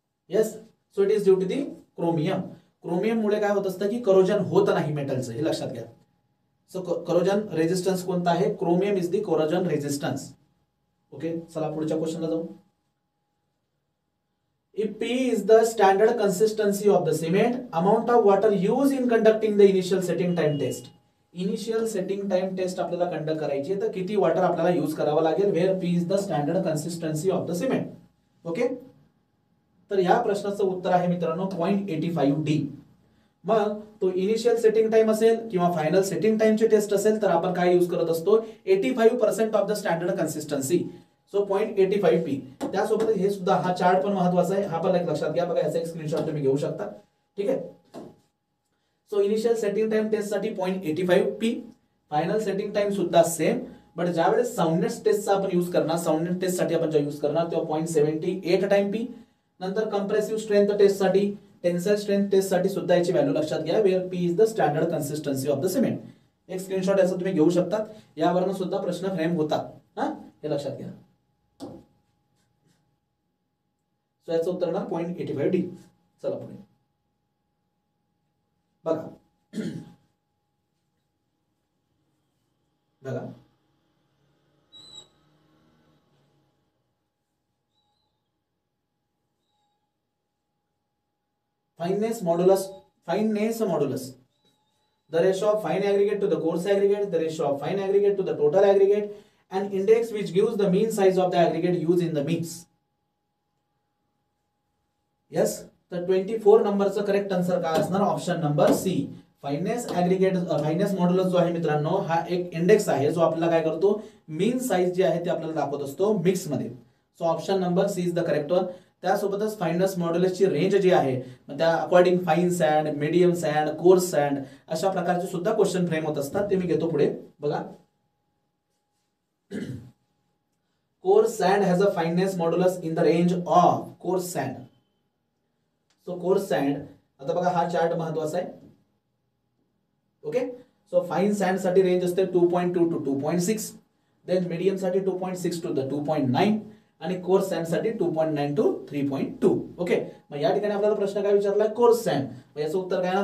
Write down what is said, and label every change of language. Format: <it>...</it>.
<mr>Yes,</mr> <en>So it is due to the chromium.</en> <mr>Chromium मुळे काय होत असतं की करोजन होत नाही मेटलचं, हे लक्षात घ्या. सो करोजन रेझिस्टन्स कोणता आहे,</mr> <en>Chromium is the corrosion resistance.</en> <mr>Okay, चला पुढच्या क्वेश्चनला जाऊ.</mr> <en>If P is the standard consistency of the cement, amount of water use in conducting the initial setting time test.</en> <mr>Initial setting time taste आपल्याला conduct करायची आहे तर किती water आपल्याला use करावं लागेल,</mr> <en>Where P is the standard consistency of the cement.</en> <mr>Okay, तर या प्रश्नाचं उत्तर आहे मित्रांनो 0.85 डी. मग तो इनिशियल सेटिंग टाइम असेल किंवा फायनल सेटिंग टाइमची टेस्ट असेल तर आपण काय युज करत असतो,</mr> <en>85% of the standard consistency.</en> <mr>So 0.85 P. त्यासोबत हे सुद्धा हा चार्ट पण महत्वाचा आहे, हा पण एक लक्षात घ्या. बघा याचा एक स्क्रीनशॉट तुम्ही घेऊ शकता. ठीक आहे, so initial setting time taste साठी 0.85 पी, फाइनल सेटिंग टाइम सुद्धा सेम, बट ज्यावेळेस साउंडनेस टेस्ट चा आपण यूज करणार, साउंडनेस टेस्ट साठी आपण जो यूज करणार तो 0.78 टाइम पी, नंतर कंप्रेसिव स्ट्रेंथ टेस्ट साठी, टेन्साइल स्ट्रेंथ टेस्ट साठी सुद्धा याची व्हॅल्यू लक्षात घ्या,</mr> <en>Where P is the standard consistency of the cement.</en> <mr>एक स्क्रीनशॉट याचा तुम्ही घेऊ शकता, यावरून सुद्धा प्रश्न फ्रेम होतात, हां हे लक्षात घ्या। सो याचं उत्तर ना 0.85 डी। चला पुढे बघा,</mr> <en>Fineness modulus, fineness modulus the ratio of fine aggregate to the coarse aggregate, the ratio of fine aggregate to the total aggregate, and index which gives the mean size of the aggregate use in the means.</en> <mr>Yes, the 24 नंबरचं correct answer काय असणार? Option number C, fineness aggregate, fineness modulus जो आहे मित्रांनो हा एक index आहे जो आपल्याला काय करतो, मीन साइज जी आहे ती आपल्याला दाखवत असतो मिक्स मध्ये।</mr> <en>So option number C is the correct one.</en> <mr>त्यासोबतच फाइननेस मॉड्यूलसची रेंज जी आहे त्या according fine sand, medium sand, course sand अशा प्रकारचे सुद्धा क्वेश्चन फ्रेम होत असतात, ते मी घेतो पुढे।</mr> <en>बघा, coarse sand has a fineness modulus in the range of coarse sand.</en> <mr>So course sand, आता बघा हा चार्ट महत्त्वाचा आहे। ओके, सो फाइन सँड साठी रेंज असते 2.2 to 2.6, देन मीडियम साठी 2.6 to 2.9, आणि कोर्स सँड साठी 2.9 to 3.2। ओके, मग या ठिकाणी आपल्याला प्रश्न काय विचारलाय? कोर्स सँड, मग याचं उत्तर काय येणार?</mr>